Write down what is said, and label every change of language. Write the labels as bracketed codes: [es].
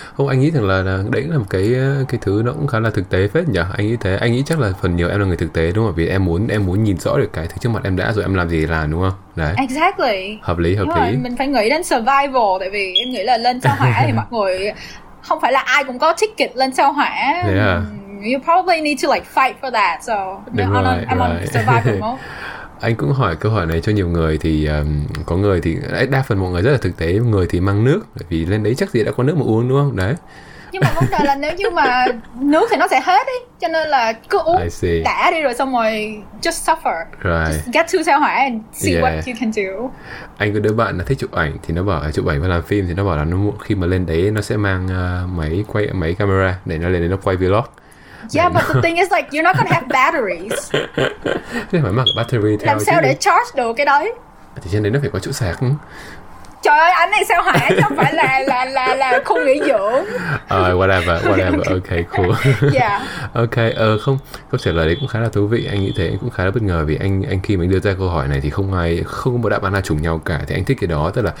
[vi] Không anh nghĩ rằng là đấy là một cái thứ nó cũng khá là thực tế phết nhỉ. Anh nghĩ thế. Anh nghĩ chắc là phần nhiều em là người thực tế đúng không? Vì em muốn nhìn rõ được cái thứ trước mặt em đã rồi em làm gì là đúng không? Đấy. [en] Exactly. [vi] Hợp lý. Rồi, mình phải nghĩ đến survival, tại vì em nghĩ là lên sao Hỏa thì mọi người không phải là ai cũng có ticket lên sao Hỏa. [en] You probably need to like fight for that. So, [vi] đúng rồi, [en] I'm on survival mode. [vi] Anh cũng hỏi câu hỏi này cho nhiều người thì có người thì đa phần mọi người rất là thực tế, người thì mang nước vì lên đấy chắc gì đã có nước mà uống đúng không? Đấy. Nhưng mà vấn đề là nếu như mà nước thì nó sẽ hết ấy, cho nên là cứ uống đã đi rồi xong rồi [en] just suffer. Right. Just get to sao Hỏa and see what you can do. [vi] Anh có đứa bạn là thích chụp ảnh thì nó bảo chụp ảnh và làm phim, thì nó bảo là nó khi mà lên đấy nó sẽ mang máy camera để nó lên đấy nó quay vlog. [en] Yeah, but the thing is like you're not gonna have batteries. [vi] Thế phải mang battery theo. Làm sao để charge được cái đấy? Thì trên đấy nó phải có chỗ sạc. Trời ơi, anh này sao Hỏa chứ không phải là khu nghỉ dưỡng. [en] Whatever, okay, cool. Yeah. [vi] Okay, không, câu trả lời đấy cũng khá là thú vị. Anh nghĩ thế, anh cũng khá là bất ngờ vì anh khi mình đưa ra câu hỏi này thì không có một đáp án nào trùng nhau cả. Thì anh thích cái đó, tức là